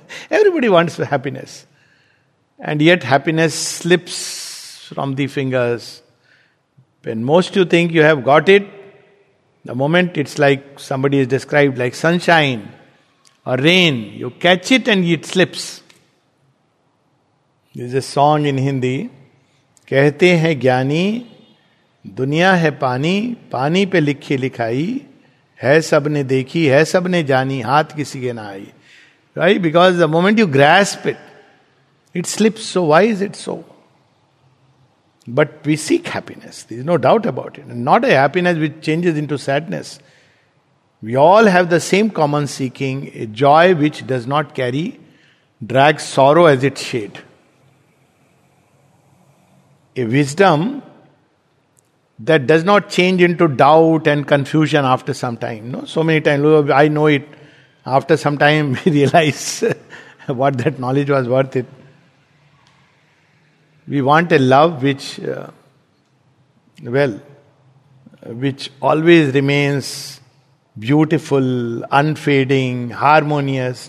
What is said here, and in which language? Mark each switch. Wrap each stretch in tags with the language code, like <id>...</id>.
<en>Everybody wants happiness. And yet, happiness slips from the fingers. When most you think you have got it, the moment it's like somebody has described, like sunshine or rain, you catch it and it slips. There's a song in Hindi.</en> <hi>कहते हैं ज्ञानी दुनिया है पानी पानी पे लिखी लिखाई है सबने देखी है सबने जानी हाथ किसी के ना आई</hi> <en>Right because the moment you grasp it it slips so why is it so but we seek happiness there is no doubt about it not a happiness which changes into sadness we all have the same common seeking a joy which does not carry drag sorrow as it shed A wisdom that does not change into doubt and confusion after some time. No? So many times, I know it. After some time, we realize what that knowledge was worth it. We want a love which, which always remains beautiful, unfading, harmonious.</en>